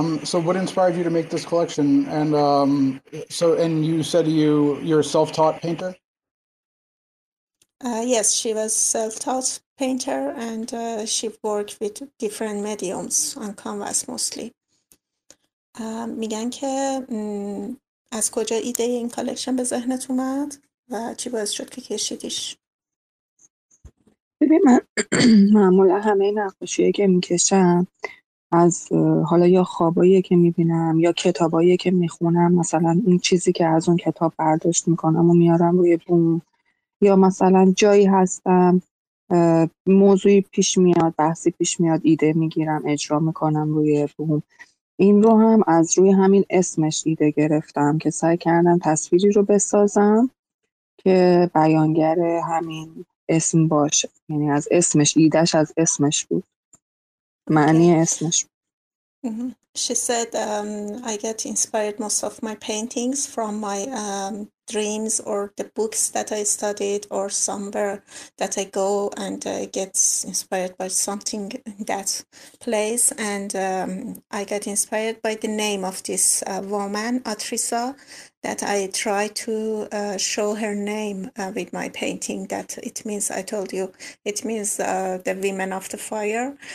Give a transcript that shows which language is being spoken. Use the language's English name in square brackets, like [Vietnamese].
[English] So what inspired you to make this collection? And and you said you're a self-taught painter? Yes, she was a self-taught painter, and she worked with different mediums on canvas mostly. [Persian] میگن که از کجا ایده این کالکشن به ذهنت اومد و چی باعث شد که کشیدیش؟ ببین، من معمولا همه نقاشی که میکشم از حالا یا خوابایی که میبینم یا کتابایی که میخونم، مثلا این چیزی که از اون کتاب برداشت میکنم و میارم روی بوم، یا مثلا جایی هستم موضوعی پیش میاد، بحثی پیش میاد، ایده میگیرم، اجرا میکنم روی بوم. این رو هم از روی همین اسمش ایده گرفتم که سعی کردم تصویری رو بسازم که بیانگر همین اسم باشه، یعنی از اسمش، ایدهش از اسمش بود، معنی اسمش. [English] She said I get inspired most of my paintings from my dreams or the books that I studied or somewhere that I go and get inspired by something in that place, and I get inspired by the name of this woman Atrisa, that I try to show her name with my painting, that it means, I told you, it means the women of the fire.